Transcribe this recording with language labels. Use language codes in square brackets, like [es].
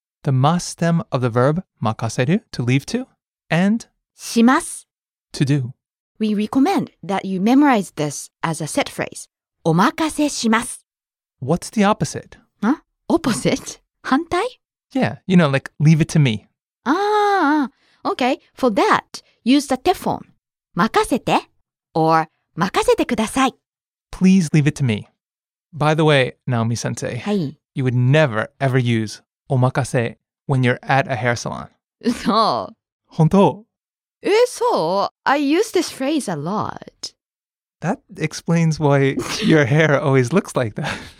[en] the ma stem of the verb 任せる to leave to and [ja] します。 [en] To do. We recommend that you memorize this as a set phrase. [ja] お任せします。 [en] What's the opposite? Huh? Opposite? 反対? Yeah, you know, like, leave it to me. Ah, okay. For that, use the te form. [ja] 任せて or 任せてください。 [en] Please leave it to me. By the way, Naomi-sensei, [ja] はい。 [en] You would never, ever use お任せ when you're at a hair salon. [ja] そう。本当? [en] So, I use this phrase a lot. That explains why your hair always looks like that.